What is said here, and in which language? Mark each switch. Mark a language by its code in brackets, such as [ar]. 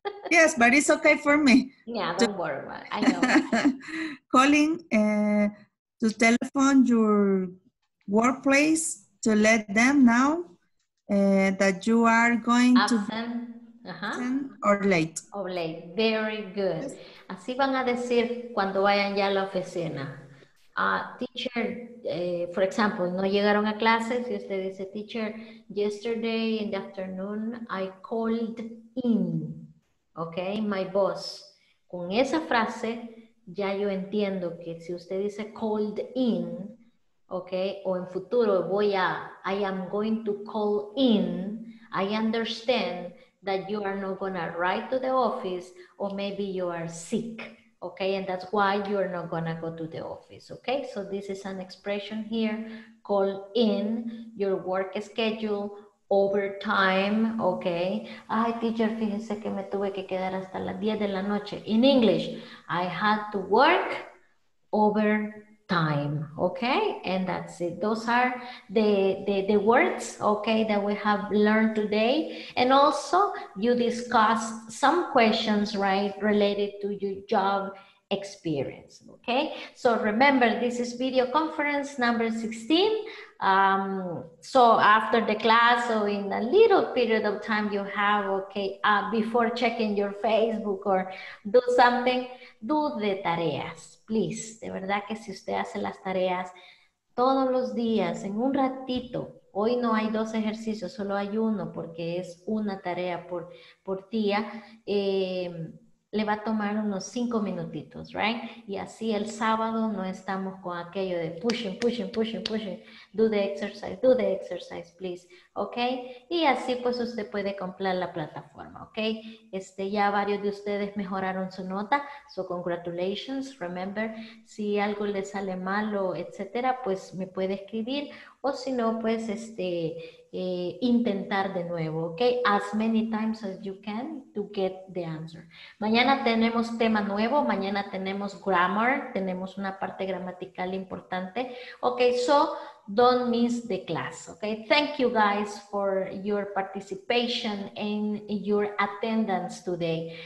[en] Yes, but it's okay for me. Yeah, don't worry about it. I know. Calling to telephone your workplace to let them know that you are going absent. To be absent or late. Or late. Very good. Yes. [es] Así van a decir cuando vayan ya a la oficina. Teacher, for example, no llegaron a clases. [en] Y usted dice, teacher, yesterday in the afternoon I called in. Okay, my boss. Con esa frase, ya yo entiendo que si usted dice called in, okay, o en futuro voy a, I am going to call in, I understand that you are not going to write to the office, or maybe you are sick, okay, and that's why you are not going to go to the office, okay? So this is an expression here, call in your work schedule, overtime, okay. [es] Ay, teacher, fíjense que me tuve que quedar hasta las 10 de la noche. [en] In English, I had to work overtime, okay? And that's it. Those are the words, okay, that we have learned today. And also, you discuss some questions, right, related to your job experience, okay? So remember, this is video conference number 16. So after the class, so in a little period of time you have, okay, before checking your Facebook or do something, do the tareas, please. [es] De verdad que si usted hace las tareas todos los días, en un ratito, hoy no hay dos ejercicios, solo hay uno porque es una tarea por día, le va a tomar unos 5 minutitos, right? Y así el sábado no estamos con aquello de pushing, pushing, pushing, pushing. [en] Do the exercise, please. Okay? [es] Y así pues usted puede comprar la plataforma, okay? Ya varios de ustedes mejoraron su nota. So congratulations. Remember, si algo le sale mal o etcétera, pues me puede escribir O si no, pues intentar de nuevo, ¿ok? [en] As many times as you can to get the answer. [es] Mañana tenemos tema nuevo, mañana tenemos grammar, tenemos una parte gramatical importante. [en] Ok, so don't miss the class, ¿ok? Thank you guys for your participation and your attendance today.